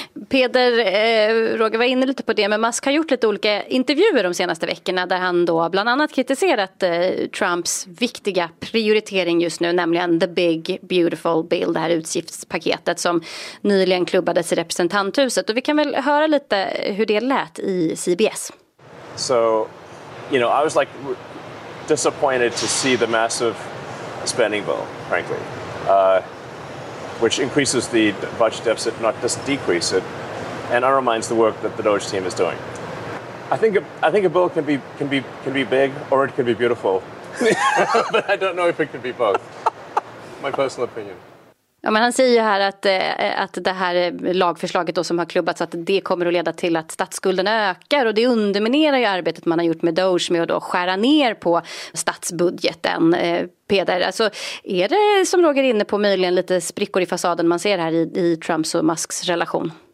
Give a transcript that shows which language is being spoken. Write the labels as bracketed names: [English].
[Swedish] Peder, Roger var inne lite på det, men Musk har gjort lite olika intervjuer de senaste veckorna där han då bland annat kritiserat Trumps viktiga prioritering just nu, nämligen The Big Beautiful Bill, det här utgiftspaketet som nyligen klubbades i representanthuset. Och vi kan väl höra lite hur det lät i CBS. [English] So, you know, I was like disappointed to see the massive spending bill, frankly. Which increases the budget deficit, not just decrease it, and undermines the work that the Doge team is doing. I think a bill can be big, or it can be beautiful, but I don't know if it can be both. My personal opinion. [Swedish] Ja, men han säger ju här att det här lagförslaget då som har klubbats, att det kommer att leda till att statsskulden ökar, och det underminerar ju arbetet man har gjort med Doge med att då skära ner på statsbudgeten. Peder, alltså, är det som Roger inne på möjligen lite sprickor i fasaden man ser här i Trumps och Musks relation?